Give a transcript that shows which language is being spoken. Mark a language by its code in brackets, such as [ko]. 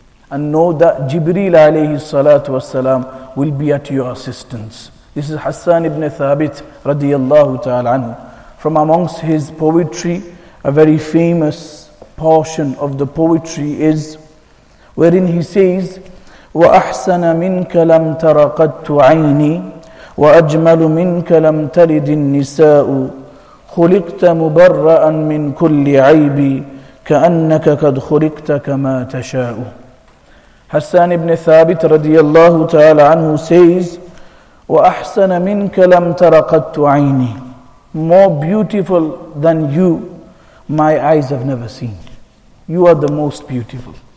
[en] And know that Jibreel alayhi salatu wasalam will be at your assistance. This is Hassan ibn Thabit radiyallahu ta'ala anhu. From amongst his poetry, a very famous portion of the poetry is wherein he says, [ar] وأحسن منك لم تر قط عيني وأجمل منك لم تلد النساء خلقت مبرأ من كل عيب كأنك قد خلقت كما تشاء. [en] Hassan ibn Thabit radiyallahu ta'ala anhu says, [ar] وَأَحْسَنَ مِنْكَ لَمْ تَرَقَدْتُ عَيْنِي. [en] More beautiful than you, my eyes have never seen. You are the most beautiful.